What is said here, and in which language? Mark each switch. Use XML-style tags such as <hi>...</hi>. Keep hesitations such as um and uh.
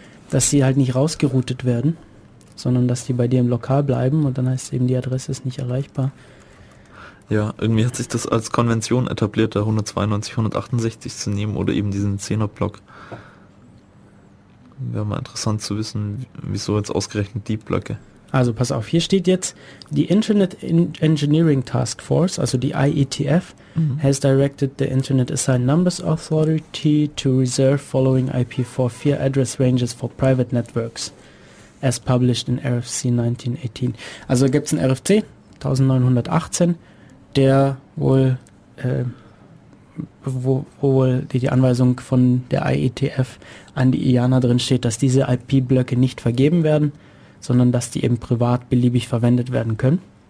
<de>dass sie halt nicht rausgeroutet werden, sondern dass die bei dir im Lokal bleiben und dann heißt es eben, die Adresse ist nicht erreichbar. Ja, irgendwie hat sich das als Konvention etabliert, da 192, 168 zu nehmen oder eben diesen 10er-Block. Wäre mal interessant zu wissen, wieso jetzt ausgerechnet die Blöcke. Also pass auf, hier steht jetzt, die Internet En- Engineering Task Force, also die IETF,</de> <en>has directed the Internet Assigned Numbers Authority to reserve following IP44 address ranges for private networks, as published in RFC 1918.</en> <de>Also gibt es einen RFC 1918, der wohl, äh, wo, wo wohl die, die Anweisung von der IETF an die IANA drin steht, dass diese IP-Blöcke nicht vergeben werden sondern dass die eben privat beliebig verwendet werden können.</de>